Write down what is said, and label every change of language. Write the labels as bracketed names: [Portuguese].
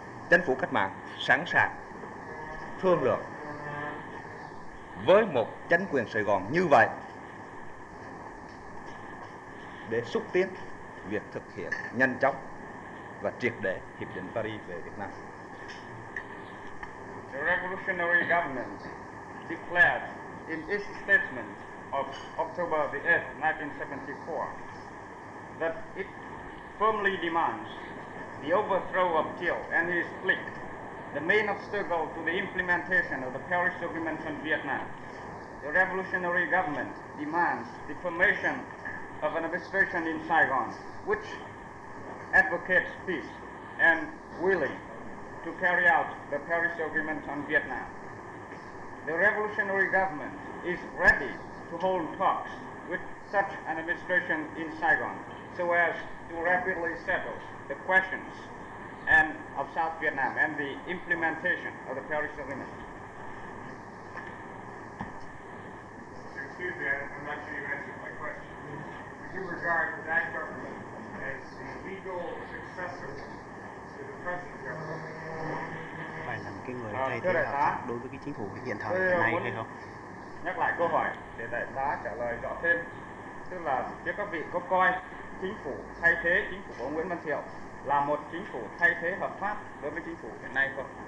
[Vietnamese] Chính phủ cách mạng sẵn sàng thương lượng với một chính quyền Sài Gòn như vậy để xúc tiến việc thực hiện nhanh chóng và triệt để Hiệp định Paris về Việt Nam. [English] The revolutionary government declared in its statement of October the 8th, 1974, that it firmly demands the overthrow of Thiệu and his clique, the main obstacle to the implementation of the Paris Agreement on Vietnam. The revolutionary government demands the formation of an administration in Saigon, which, advocates peace and willing to carry out the Paris Agreement on Vietnam. The revolutionary government is ready to hold talks with such an administration in Saigon so as to rapidly settle the questions and of South Vietnam and the implementation of the Paris Agreement. Excuse me, I'm not sure you answered my question. Would you regard that government as the legal successor to the present government? [Vietnamese] Phải làm cái người thay thế hợp pháp đối với cái chính phủ hiện thời hiện nay hay không? Nhắc lại câu hỏi để đại tá trả lời rõ thêm, tức là phía các vị có coi chính phủ thay thế chính phủ của ông Nguyễn Văn Thiệu là một chính phủ thay thế hợp pháp đối với chính phủ hiện nay không?